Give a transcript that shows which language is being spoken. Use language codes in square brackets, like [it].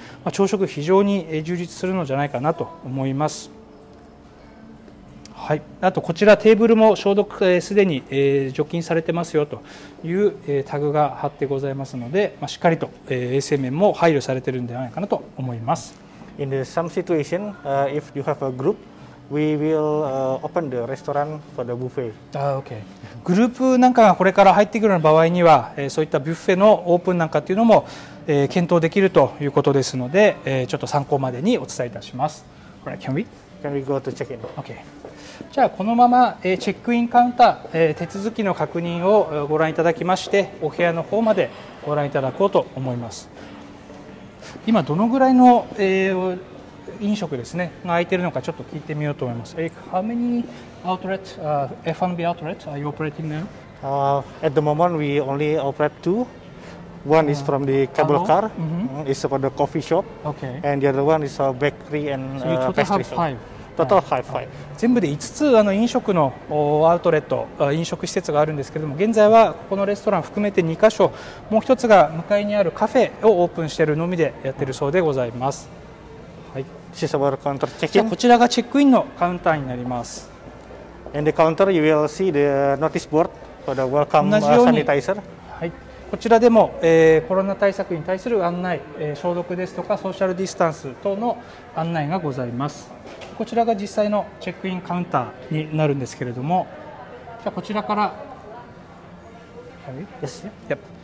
[ja] 朝食非常に充実するのじゃないかなと思います、はい、あとこちらテーブルも消毒すでに除菌されてますよというタグが貼ってございますので、しっかりと衛生面も配慮されているのではないかなと思います。 [en] In some situation, if you have a groupWe will open the restaurant for the buffet. Ah, okay. [ja] グループなんかがこれから入ってくる場合には、そういったビュッフェのオープンなんかっていうのも、検討できるということですので、ちょっと参考までにお伝えいたします。 [en] Alright, can we go to check in? Okay. [ja] じゃあこのまま、チェックインカウンター、手続きの確認をご覧いただきまして、お部屋の方までご覧いただこうと思います。今どのぐらいの、飲食ですね、が空いてるのかちょっと聞いてみようと思います。 [en] How many outlets, F&B outlets are you operating now? At the moment, we only operate two. One is from the cable car, it's for the coffee shop. Okay. And the other one is a bakery and pastry shop. So you total have five? Total have five. [ja] 全部で5つあの飲食のアウトレット、飲食施設があるんですけれども、現在はここのレストラン含めて2カ所、もう1つが向かいにあるカフェをオープンしているのみでやってるそうでございます。 [en] This is our counter check-in. [ja] じゃあこちらがチェックインのカウンターになります。 [en] And the counter, you will see the notice board for the welcome sanitizer. [ja] はい。こちらでも、コロナ対策に対する案内、消毒ですとかソーシャルディスタンス等の案内がございます。こちらが実際のチェックインカウンターになるんですけれども、じゃあこちらから、はい、 [en] yes. yep.